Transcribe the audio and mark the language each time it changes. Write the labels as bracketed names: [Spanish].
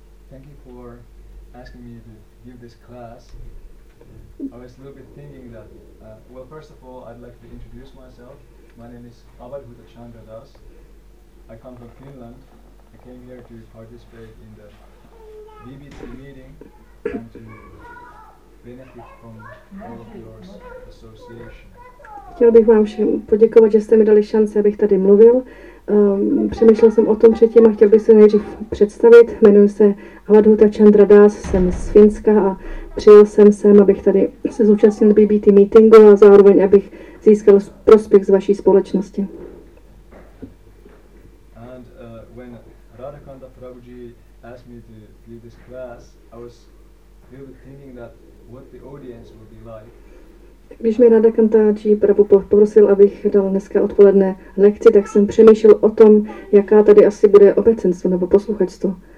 [English] Thank you for asking me to give this class. I was a little bit thinking that, well, first of all, I'd like to introduce myself. My name is Avadhuta Chandra Das. I come from Finland. I came here to participate in the BBT meeting and to benefit from all of your association. [Czech] Chtěl bych vám všem poděkovat, že jste mi dali šanci, abych tady mluvil. Přemýšlel jsem o tom předtím a chtěl bych se nejdřív představit. Jmenuji se Avadhuta Chandra Das, jsem z Finska a přijel jsem sem, abych tady se zúčastnil BBT meetingu a zároveň, abych získal prospěch z vaší společnosti. [English] And when Radhakanta Prabhuji asked me to give this class, I was really thinking that what the audience would be like. [Czech] Když mi Radhakanta Ji Prabhu poprosil, abych dal dneska odpoledne lekci, tak jsem přemýšlel o tom, jaká tady asi bude obecenstvo nebo posluchačstvo.